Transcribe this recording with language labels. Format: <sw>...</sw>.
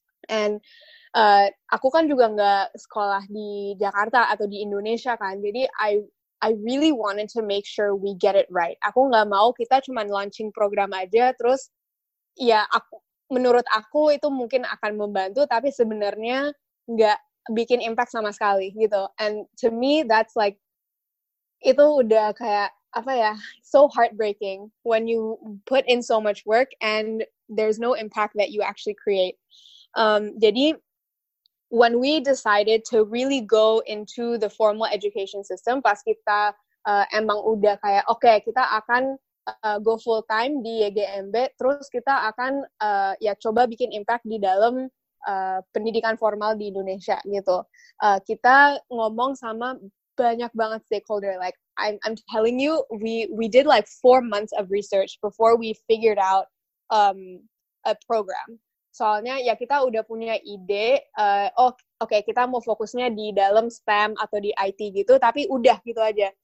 <id>And aku kan juga nggak sekolah di Jakarta atau di Indonesia kan, jadi I</id> <en>I really wanted to make sure we get it right.</en> <id>Aku nggak mau kita cuma launching program aja, terus ya aku, menurut aku itu mungkin akan membantu, tapi sebenarnya nggak bikin impact sama sekali gitu.</id> <en>And to me, that's like,</en> <id>itu udah kayak, apa ya,</id> <en>so heartbreaking when you put in so much work and there's no impact that you actually create.</en> <id>Jadi,</id> <en>when we decided to really go into the formal education system,</en> <id>pas kita emang udah kayak, okay, kita akan go full time di YGMB, terus kita akan ya coba bikin impact di dalam pendidikan formal di Indonesia gitu. Kita ngomong sama banyak banget stakeholder.</id> <en>Like I'm telling you, we did like 4 months of research before we figured out a program.</en> <id>Soalnya ya kita udah punya ide, okay, kita mau fokusnya di dalam STEM atau di IT gitu, tapi udah gitu aja.</id>